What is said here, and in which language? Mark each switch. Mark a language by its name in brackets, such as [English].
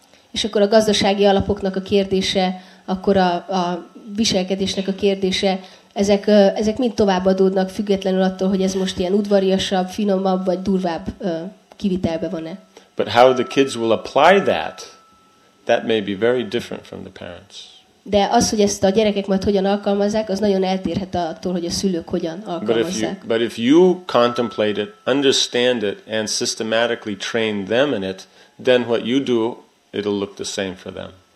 [Hungarian] És akkor a gazdasági alapoknak a kérdése, akkor a viselkedésnek a kérdése, ezek mind továbbadódnak, függetlenül attól, hogy ez most ilyen udvariasabb, finomabb vagy durvább kivitelbe van-e. [English] But how the kids will apply that may be very different from the parents. [Hungarian] De az, hogy ezt a gyerekek majd hogyan alkalmazzák, az nagyon eltérhet attól, hogy a szülők hogyan alkalmazzák. [English] But if you contemplate it, understand it and systematically train them in it, then what you do, it'll look the same for them.